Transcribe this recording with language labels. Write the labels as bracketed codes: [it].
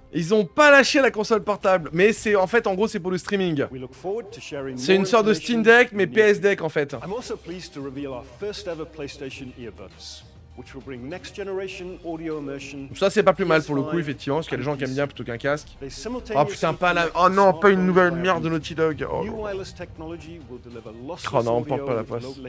[fr] Ils ont pas lâché la console portable, mais c'est en fait, en gros, c'est pour le streaming. C'est une sorte de Steam Deck, mais PS Deck en fait. [en] I'm also pleased to reveal our first ever PlayStation earbuds. Which will bring next generation audio immersion. [fr] Ça c'est pas plus mal pour le coup effectivement, parce qu'il y a des gens qui aiment bien plutôt qu'un casque. Oh putain, pas la... Oh non, pas une nouvelle merde de Naughty Dog. Oh non, on porte pas la poste.